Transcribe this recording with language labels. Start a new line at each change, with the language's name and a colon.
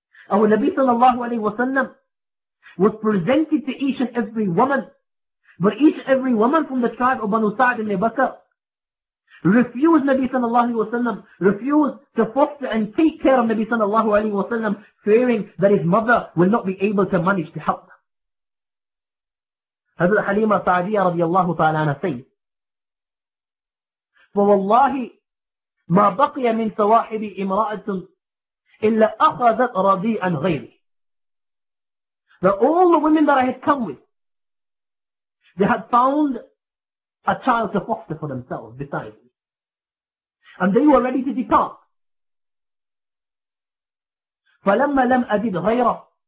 English: Our Nabi sallallahu alayhi wa sallam was presented to each and every woman, but each and every woman from the tribe of Banu Sa'd ibn Bakr refused Nabi sallallahu alayhi wa sallam, refused to foster and take care of Nabi sallallahu alayhi wa sallam, fearing that his mother will not be able to manage to help them. Hazrat Halima Sa'diyah radiallahu ta'ala anha says,
Arabic: فَوَاللَّهِ مَا بَقِيَ مِنْ صَوَاحِبِ إِمْرَأَةٌ إِلَّا أَخَذَتْ رَضِيعًا غَيْرِ.
English: That all the women that I had come with, they had found a child to foster for themselves beside me. And they were ready to depart.
Arabic: فَلَمَّا لَمْ أَجِدْ غَيْرَهُ.